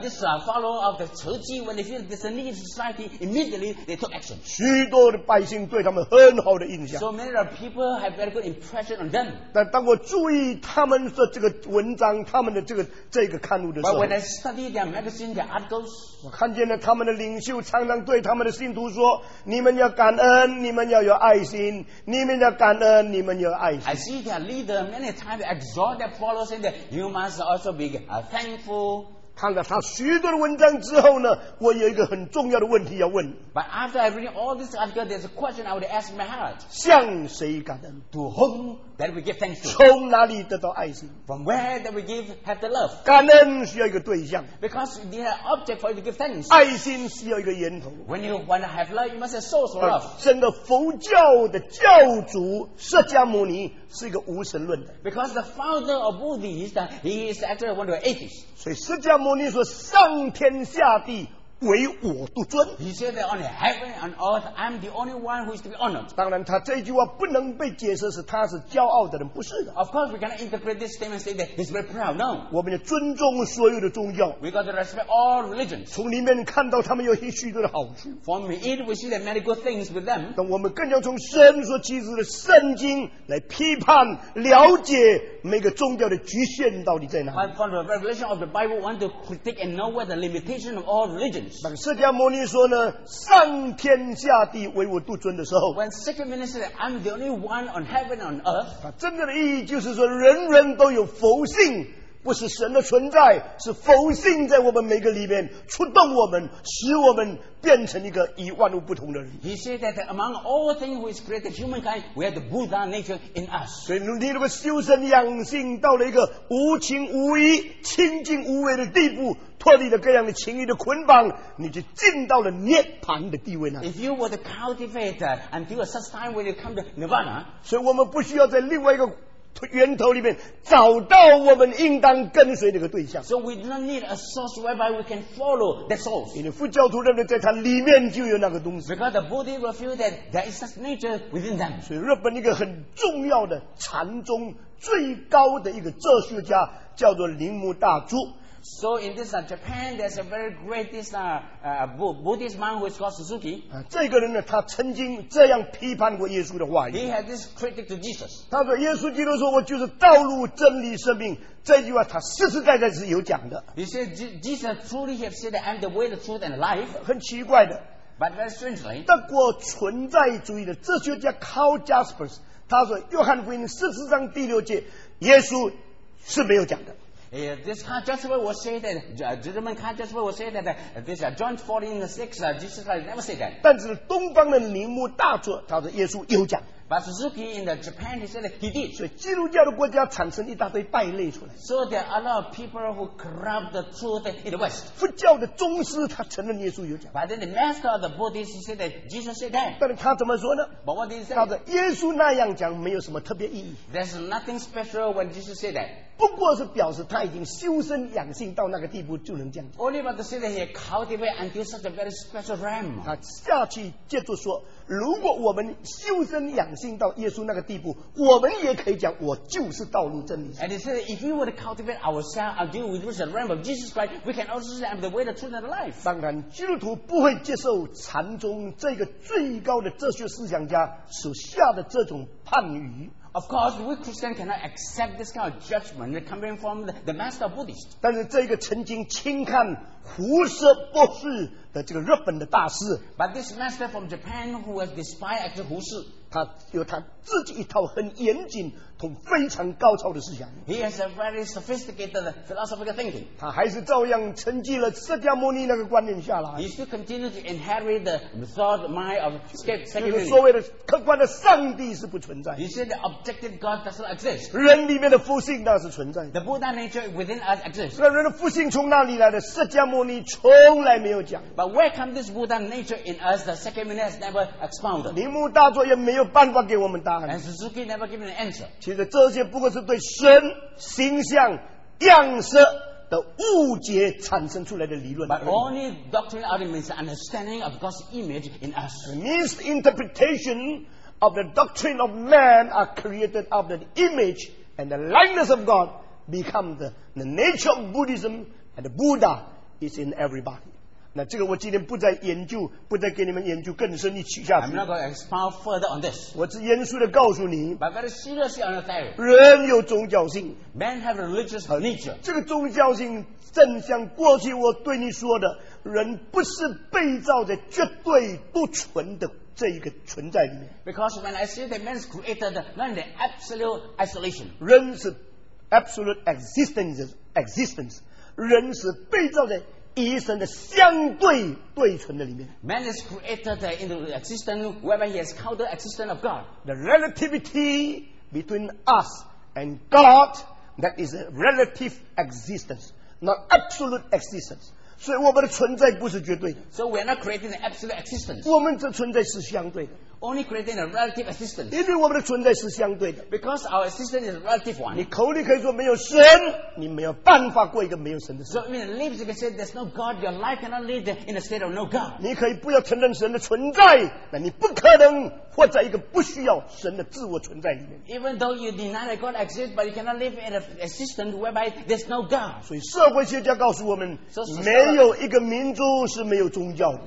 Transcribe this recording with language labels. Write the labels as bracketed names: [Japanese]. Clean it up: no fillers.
[English] That is a follow of the 慈济 when they feel there's a need in society, immediately they took action. [Chinese] 许多的百姓对他们很好的印象。 [English] So many of people have very good impression on them. [Chinese] 但当我注意他们的这个文章，他们的这个刊物的时候 [English] ，But when I study their magazine, their articles, [Chinese] 我看见了他们的领袖常常对他们的信徒说：“你们要感恩，你们要有爱心，你们要感恩，你们有爱心。” [English] I see their leader many times exhort their followers and that you must. Also be thankful. [Chinese] 看了他许多的文章之后呢，我有一个很重要的问题要问。 [English] But after I read all this article, there's a question I would ask my heart. [Chinese] 向谁感恩 [English] ？To whom that we give thanks? [Chinese] 从哪里得到爱心 [English] ？From where that we give have the love? [Chinese] 感恩需要一个对象。 [English] Because you need an object for you to give thanks. [Chinese] 爱心需要一个源头。 [English] When you want to have love, you must have source of love. [Chinese] 整个佛教的教主释迦牟尼。是一个无神论的 [English] ，because the father of Buddhist, he is actually one of the atheists. [Chinese] 所以释迦牟尼说，上天下地唯我独尊。 [English] He said that on heaven and earth, I'm the only one who is to be honored. [Chinese] 当然，他这句话不能被解释是他是骄傲的人，不是的。 [English] Of course, we cannot interpret this statement saying that he's very proud. No. [Chinese] 我们要尊重所有的宗教。 [English] We got to respect all religions. [Chinese] 从里面看到他们有许多的好处。 [English] From it, we see the many good things with them. [Chinese] 但我们更要从神所启示的圣经来批判、了解每个宗教的局限到底在哪里。 [English] From the revelation of the Bible, we want to critique and know where the limitation of all religions. [Chinese] 释迦牟尼说呢，上天下地唯我独尊的时候 [English] ，When second minister I'm the only one on heaven on earth， [Chinese] 他真正的意义就是说，人人都有佛性，不是神的存在，是佛性在我们每个里面触动我们，使我们变成一个与万物不同的人。 [English] He said that among all things who is created humankind, we have the Buddha nature in us。 [Chinese] 所以你如果修身养性到了一个无情无义、清净无为的地步。脱离了各样的情欲的捆绑，你就进到了涅槃的地位呢。 [English] If you were to cultivate until a such time when you come to Nirvana， [Chinese] 所以我们不需要在另外一个源头里面找到我们应当跟随那个对象。 [English] So we don't need a source whereby we can follow the source。 [Chinese] 因为佛教徒认为在它里面就有那个东西。 [English] Because the Buddha will feel that there is such nature within them。 [Chinese] 所以日本一个很重要的禅宗最高的一个哲学家叫做铃木大珠。 [English] So in this Japan, there's a very greatest Buddhist man who is called Suzuki. [Chinese] 这个人呢，他曾经这样批判过耶稣的话语。 [English] He had this critic to Jesus. [Chinese] 他说，耶稣基督说，我就是道路、真理、生命。这句话他实实在在是有讲的。 [English] He said Jesus truly have said that I'm the way, the truth, and the life. [Chinese] 很奇怪的。 [English] But very strangely, [Chinese] 德国存在主义的哲学家 Karl Jaspers 他说，约翰福音四十章第六节，耶稣是没有讲的。 [English] This Karl Jaspers will say that German Karl Jaspers will say that this John 14:6 Jesus Christ never said that. [Chinese] 但是东方的铃木大作他说耶稣有讲。 [English] But Suzuki in the Japan he said he did. [Chinese] 所以基督教的国家产生一大堆败类出来。 [English] So there are a lot of people who corrupt the truth in the West. [Chinese] 佛教的宗师他承认耶稣有讲。 [English] But then the master of the Buddhist he said that Jesus said that. [Chinese] 但他怎么说呢 [English] ？But what did he say? [Chinese] 他说耶稣那样讲没有什么特别意义。 [English] There's nothing special when Jesus said that. [Chinese] 不过是表示他已经修身养性到那个地步就能这样。 [English] Only about to say that he cultivated until such a very special realm。 [Chinese] 他下去接着说，如果我们修身养性到耶稣那个地步，我们也可以讲我就是道路真理。 [English] And he said if we were to cultivate ourselves until we reach the realm of Jesus Christ, we can also say I'm the way, the truth, and the life。 [Chinese] 当然，基督徒不会接受禅宗这个最高的哲学思想家所下的这种判语。 [English] Of course, we Christians cannot accept this kind of judgment coming from the master Buddhist. [Chinese] 但是这个曾经轻看胡适博士的这个日本的大师。 [English] But this master from Japan who was despised as 胡适。 [Chinese] 他有他自己一套很严谨同非常高超的思想。 [English] He has a very sophisticated philosophical thinking. [Chinese] 他还是照样承继了释迦牟尼那个观念下来。 [English] He still continues to inherit the thought mind of Scape Sakyamuni. [Chinese] 就是所谓的客观的上帝是不存在。 [English] He said the objective God does not exist. [Chinese] 人里面的佛性那是存在的。 [English] The Buddha nature within us exists. [Chinese] 那人的佛性从哪里来的？释迦牟尼从来没有讲。 [English] But where comes this Buddha nature in us? The Sakyamuni has never expounded. [Chinese] 铃木大作也没有办法给我们答案。 [English] And Suzuki never gave an answer. [Chinese] 其实这些不过是对神形象样式的误解产生出来的理论。 [English] But only doctrine arguments understanding of God's image in us. Misinterpretation of the doctrine of man are created of the image and the likeness of God become the nature of Buddhism and the Buddha is in everybody. [Chinese] 那这个我今天不再研究，不再给你们研究更深的取下去。 [English] I'm not going to expound further on this. [Chinese] 我只严肃的告诉你。 [English] But very seriously on that. [Chinese] 人有宗教性。 [English] Men have religious nature. [Chinese] 这个宗教性正像过去我对你说的，人不是被造在绝对不纯的这一个存在里面。 [English] Because when I say that man's created, not in absolute isolation. [Chinese] 人是 [English] absolute existence. [Chinese] 人是被造在一生的相对对存的里面。 [English] Man is created in the existence whereby he has called the existence of God. The relativity between us and God, that is a relative existence, not absolute existence. [Chinese] 所以我们的存在不是绝对的。 [English] So we are not creating an absolute existence. [Chinese] 我们的存在是相对的。 [English] Only creating a relative existence. [Chinese] 因为我们的存在是相对的。 [English] Because our existence is a relative one. [Chinese] 你口里可以说没有神，你没有办法过一个没有神的生活。 [English] So in the lips you can say there's no God, your life cannot live in a state of no God. [Chinese] 你可以不要承认神的存在，那你不可能活在一个不需要神的自我存在里面。 [English] Even though you deny that God exists, but you cannot live in an existence whereby there's no God. [Chinese] 所以社会学家告诉我们，没有一个民族是没有宗教的。